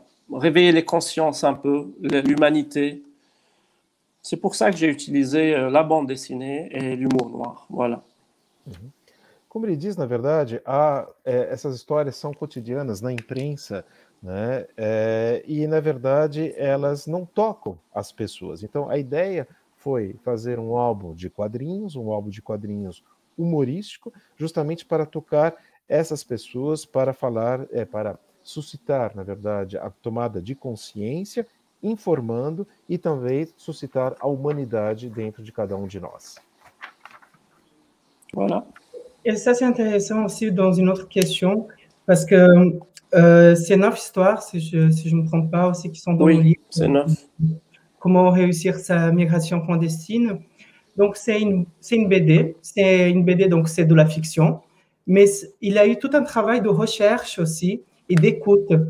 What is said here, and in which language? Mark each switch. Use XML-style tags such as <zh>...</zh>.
<fr>réveiller les consciences un peu, l'humanité. C'est pour ça que j'ai utilisé la bande dessinée et l'humour noir, voilà.</fr> <pt>Como ele diz, na verdade, essas histórias são quotidianas na imprensa, né? E, na verdade, elas não tocam as pessoas. Então, a ideia foi fazer um álbum de quadrinhos humorístico, justamente para tocar essas pessoas, para falar, para suscitar, na verdade, a tomada de consciência, informando e também suscitar a humanidade dentro de cada um de nós.</pt> <fr>Voilà. Et ça, c'est intéressant aussi dans une autre question, parce que c'est 9 histoires, si je ne me trompe pas, aussi, qui sont dans le livre. Oui, c'est 9. Comment réussir sa migration clandestine. Donc, c'est une BD. C'est une BD, donc c'est de la fiction. Mais il a eu tout un travail de recherche aussi et d'écoute.</fr>